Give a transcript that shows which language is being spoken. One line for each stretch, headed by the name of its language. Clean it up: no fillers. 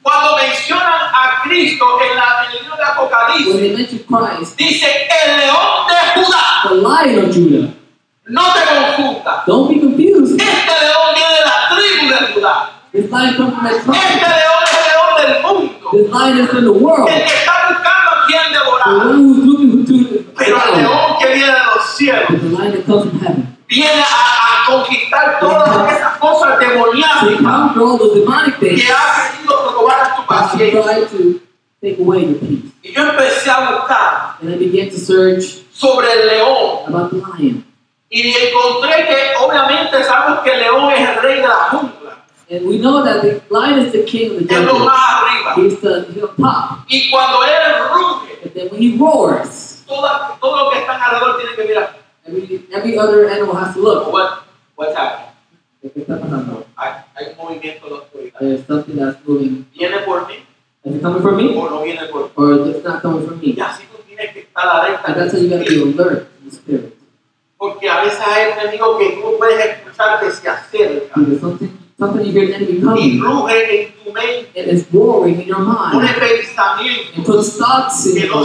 Spanish: Cuando menciona a Cristo en la
English: when they mention Christ,
Spanish: dice, el león de Judá.
English: The lion of Judah.
Spanish: No te confunda.
English: Don't be confused.
Spanish: Este león viene de la tribu de Judá.
English: This lion comes from that tribe.
Spanish: Este león es el león del mundo.
English: This lion is from the world.
Spanish: El que está buscando a quien devorar.
English: The one who's looking to devour.
Spanish: Pero el león que viene de los cielos.
English: The lion that comes from heaven.
Spanish: Viene a conquistar todas esas cosas demoníacas.
English: To conquer all those demonic things.
Spanish: Que ha querido robar a tu paciente.
English: Take away your peace.
Spanish: Y yo empecé a buscar.
English: And I began to search.
Spanish: Sobre el león.
English: About the lion.
Spanish: Y encontré que obviamente sabemos que el león es el rey de la jungla.
English: And we know that the lion is the king of the jungle.
Spanish: Es lo más arriba.
English: He's the top.
Spanish: Y cuando él ruge.
English: But then when he roars.
Spanish: Todo lo que está alrededor tiene que mirar.
English: Every other animal has to look. What's happening?
Spanish: ¿Qué está pasando? Hay un movimiento en la oscuridad.
English: There's something that's moving.
Spanish: Viene por mí.
English: Is it coming from me? Or is it not coming from me?
Spanish: Y así tú tienes que estar alerta.
English: And that's how you got to be alert in the spirit.
Spanish: Porque a veces hay un enemigo que tú puedes escuchar que se acerca.
English: Because something you hear an enemy coming.
Spanish: Y ruge en tu mente.
English: And it's roaring in your mind.
Spanish: Un pensamiento.
English: It puts thoughts in your